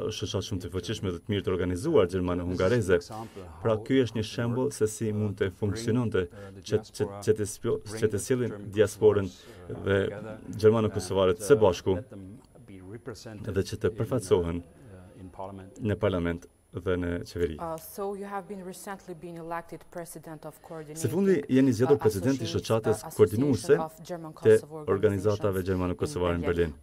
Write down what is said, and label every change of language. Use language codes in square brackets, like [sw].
[sq] Është shoqëri shumë e fuqishme dhe të mirë të organizuar gjermano-hungareze. Pra ky është një shembull se si mund të funksiononte që të sillin diasporën dhe gjermano-kosovarët së bashku dhe që të përfaqësohen në parlament dhe në qeveri. [en] So you have been recently been elected president of coordinating. [sq] Së fundi jeni zgjedhur presidenti i shoqatës koordinuese të organizatave gjermano-kosovare në Berlin.